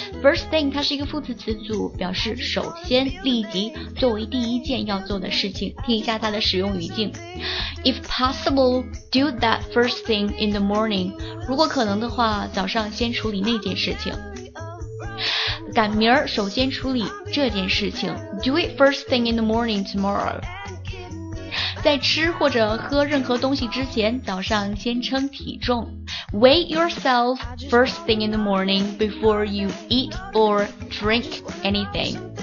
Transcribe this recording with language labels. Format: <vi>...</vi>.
<zh>First thing 它是一个副词词组，表示首先、立即，作为第一件要做的事情。听一下它的使用语境，</zh> <en>If possible, do that first thing in the morning.</en> <zh>如果可能的话，早上先处理那件事情，赶明儿首先处理这件事情。</zh> <en>Do it first thing in the morning tomorrow.</en> <zh>在吃或者喝任何东西之前，早上先称体重。</zh> <en>Weigh yourself first thing in the morning before you eat or drink anything.</en>